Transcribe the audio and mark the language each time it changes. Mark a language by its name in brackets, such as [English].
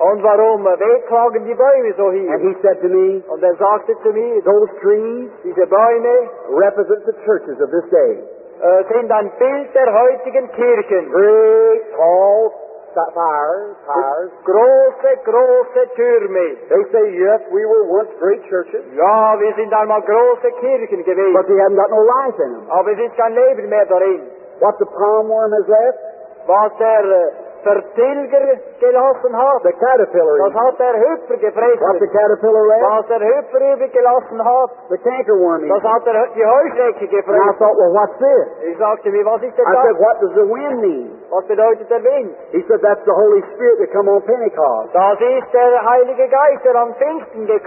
[German] Und warum wehklagen die Bäume so hier? [English] And he said to me. [German] Und sagte zu mir. [English] Those trees. [German] Diese Bäume. [English] Represent the churches of this day. [German] Sind ein Bild der heutigen Kirchen. [English] Great, tall, fires. [German] Große Türme. [English] They say, yes, we were once great churches. [German] Ja, wir sind einmal große Kirchen gewesen. [English] But they haven't got no life in them. [German] Aber es ist kein Leben mehr darin. [English] What the palm worm has left? [German] Was der Vertilger gelassen hat. [English] The caterpillar. [German] Was hat der Hüpfer gefressen? [English] What the caterpillar left? [German] Was der Hüpfer übrig gelassen hat. [English] The cankerworm. [German] Was hat der die Heuschrecke gefressen? [English] And I thought, well, what's this? [German] Ich sagte mir, was ist der Dach? [English] I said, what does the wind mean? [German] Was bedeutet der Wind? [English] He said, that's the Holy Spirit that come on Pentecost. [German] Das ist der Heilige Geist, der am Pfingsten gekommen ist.